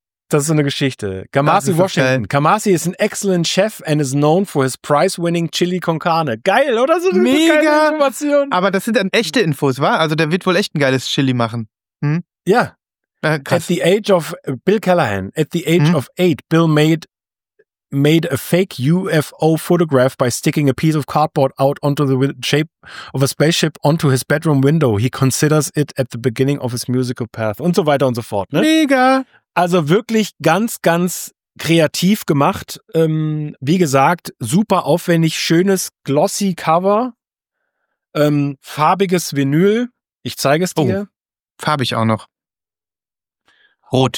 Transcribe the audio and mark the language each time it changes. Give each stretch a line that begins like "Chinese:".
German: Das ist so eine Geschichte.
English: Kamasi Washington.
German: Kamasi ist ein
English: excellent Chef and is known for his prize-winning Chili con Carne.
German: Geil, oder? So mega Information. Aber das sind dann echte Infos, wa? Also der wird wohl echt ein geiles Chili machen. Ja.
English: At the age of Bill Callahan, at the age of 8, Bill made a fake UFO photograph by sticking a piece of cardboard out onto the shape of a spaceship onto his bedroom window. He considers it at the beginning of his musical path.
German: Und so weiter und so fort. Ne? Mega. Also wirklich ganz, ganz kreativ gemacht. Wie gesagt, super aufwendig, schönes glossy Cover, farbiges Vinyl. Ich zeige es dir. Oh, farbig auch noch. Rot.